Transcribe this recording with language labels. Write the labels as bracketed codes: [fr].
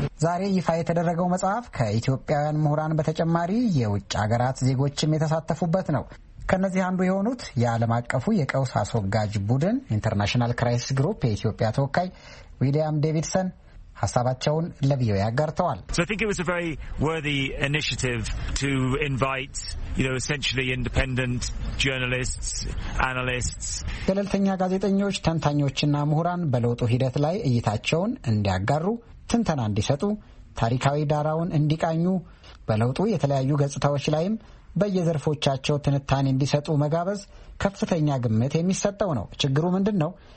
[am] ዛሬ ይፋ የተደረገው መጽሐፍ ከኢትዮጵያውያን ምሁራን በተጨማሪ የውጭ ሀገራት ዜጎችም የተሳተፉበት ነው። ከነዚህ አንዱ የሆኑት የዓለም አቀፉ የቀውስ አስወጋጅ ቡድን ኢንተርናሽናል ክራይሲስ ግሩፕ የኢትዮጵያ ተወካይ ዊሊያም ዴቪድሰን ሐሳባቸውን ለቪኦኤ ያጋርተዋል። [en] So I think it was a very worthy initiative to invite, you know, essentially independent journalists, analysts. [am] ገለልተኛ ጋዜጠኞች፣ ተንታኞችና ምሁራን በለውጡ ሂደት ላይ እይታቸውን እንዲያጋሩ፣ ትንተና እንዲሰጡ፣ ታሪካዊ ዳራውን እንዲቃኙ፣ በለውጡ የተለያዩ ገጽታዎች ላይም በየዘርፎቻቸው ትንታኔ እንዲሰጡ መጋበዝ ከፍተኛ ግምት የሚሰጠው ነው። ችግሩ ምንድን ነው?